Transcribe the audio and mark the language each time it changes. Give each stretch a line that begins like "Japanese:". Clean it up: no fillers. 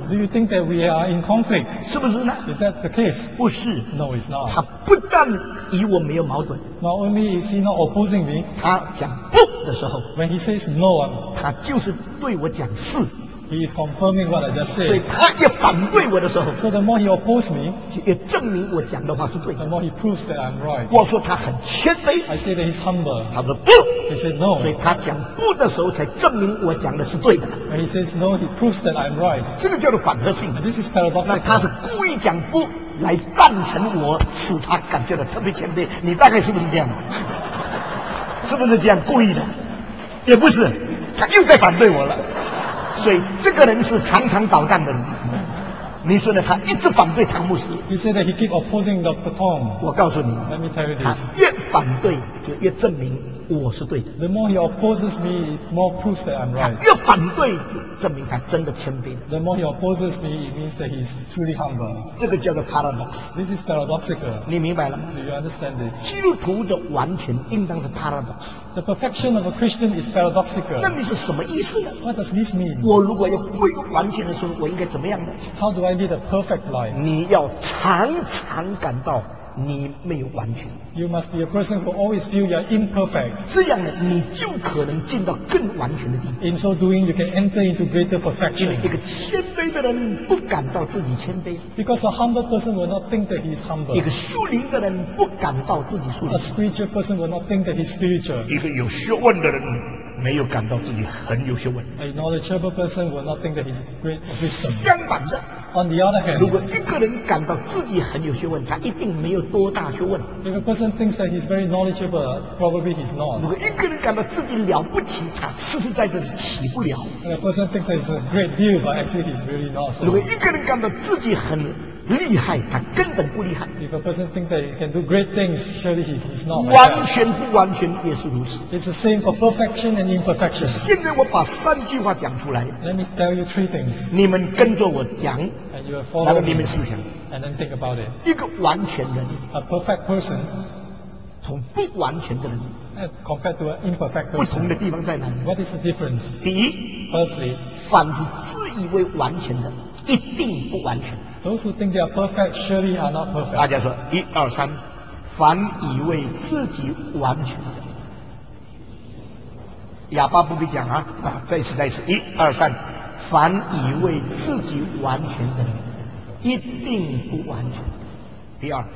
English: ？Do you think that we are in conflict？
Chinese: 是不是呢
English: ？Is that the case？
Chinese: 不是
English: ，No, it's not。
Chinese: 他不但与我没有矛盾
English: ，Not only is he not opposing me，
Chinese: 他讲不的时候
English: ，When he says no，
Chinese: 他就是对我讲是。
English: He is confirming what I just said.
Chinese: 所以他越反对我的时候
English: ，So the more he opposes me，
Chinese: 就越证明我讲的话是对的。
English: The more he proves that I'm right.
Chinese: 我说他很谦卑
English: ，I say that he's humble.
Chinese: 他说不
English: ，He said no.
Chinese: 所以他讲不的时候，才证明我讲的是对的。
English: And he says no, he proves that I'm right.
Chinese: 这个叫做反和性。
English: And this is paradoxical.
Chinese: 那他是故意讲不来赞成我，使他感觉到特别谦卑。你大概是不是这样？是不是这样故意的？也不是，他又在反对我了。所以这个人是常常捣蛋的人。你说呢？他一直反对唐牧师。
English: He said that he keep opposing Dr. Tong.
Chinese: 我告诉你
English: ，Let me tell you this.
Chinese: 他越反对，就越证明我是对的。
English: The more he opposes me, more proves that I'm right.
Chinese: 他越反对，就证明他真的谦卑。
English: The more he opposes me, it means that he's truly humble.
Chinese: 这个叫做 paradox.
English: This is paradoxical.
Chinese: 你明白了吗
English: ？Do you understand this?
Chinese: 基督徒的完全应当是 paradox.
English: The perfection of a Christian is paradoxical.
Chinese: 那你是什么意思呢
English: ？What does this mean?
Chinese: 我如果要不完全的时候，我应该怎么样呢
English: ？How do I need a perfect life?
Chinese: 你要常常感到。你没有完全。
English: You must be a person who always feel you're imperfect.
Chinese: 这样呢，你就可能进到更完全的地方。
English: In so doing, you can enter into greater perfection.
Chinese: 因为一个谦卑的人不感到自己谦卑。
English: Because a humble person will not think that he's humble.
Chinese: 一个属灵的人不感到自己属灵。
English: A spiritual person will not think that he's spiritual.
Chinese: 一个有学问的人没有感到自己很有学问。
English: A knowledgeable person will not think that he's great wisdom.
Chinese: 相反的。
English: On the other hand,
Chinese: 如果一个人感到自己很有学问，他一定没有多大学问。
English: If a person thinks that he's very knowledgeable, probably he's not.
Chinese: 如果一个人感到自己了不起，他实实在在是起不了。
English: If a person thinks that he's a great deal, but actually he's really not.、So.
Chinese: 如果一个人感到自己很厉害，他根本不厉害。
English: If a person thinks that he can do great things, surely he is not.
Chinese: 完全不完全也是如此。
English: It's the same for perfection and imperfection.
Chinese: 现在我把三句话讲出来。
English: Let me tell you three things.
Chinese: 你们跟着我讲。
English: And you will follow.
Chinese: 然后你们思想。
English: And then think about it.
Chinese: 一个完全人。
English: A perfect person.
Chinese: 从不完全的人。
English: Compared to an imperfect person.
Chinese: 不同的地方在哪里？
English: What is the difference?
Chinese: 第一。
English: Firstly.
Chinese: 凡是自以为完全的，一定不完全。
English: Those who think they are perfect surely are not perfect.
Chinese: 大家说一二三，凡以为自己完全的，哑巴不必讲啊！啊，再一次，一二三，凡以为自己完全的，一定不完全。第二